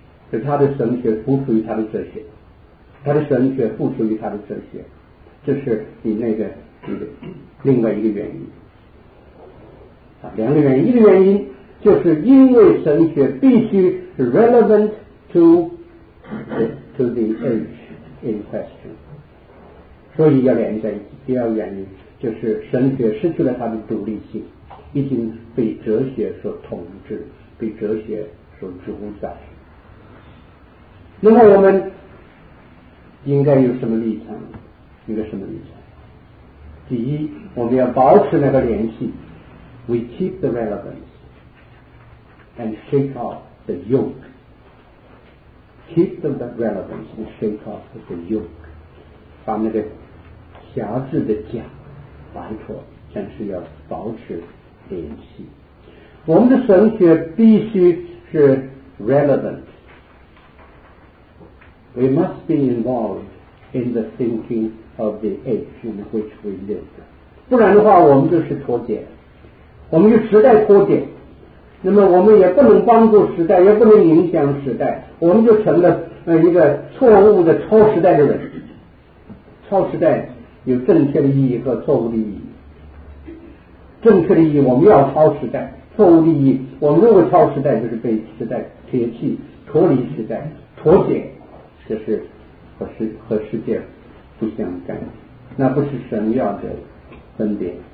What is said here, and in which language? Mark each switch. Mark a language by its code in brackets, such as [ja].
[zh] 可他的神学不属于他的哲学，他的神学不属于他的哲学，这是你那个另外一个原因啊，两个原因。一个原因就是因为神学必须 [en] relevant to the age in question， [zh] 所以要连在一起。第二个原因就是神学失去了他的独立性，已经被哲学所统治，被哲学所主宰。那么我们应该有什么立场？一个什么立场？第一，我们要保持那个联系 [en] ，we keep the relevance and shake off the yoke. Keep the relevance and shake off the yoke. [zh] 把那个辖制的枷拔脱，但是要保持联系。我们的神学必须是 [en] relevant. We must be involved in the thinking of the age in which we live. [zh] 不然的话我们就是脱节，我们与时代脱节，那么我们也不能帮助时代，也不能影响时代，我们就成了一个错误的超时代的人。超时代有正确的意义和错误的意义。正确的意义我们要超时代，错误的意义我们认为超时代就是被时代撇弃，脱离时代，脱节，这是和世界不相干，那不是神要的分别。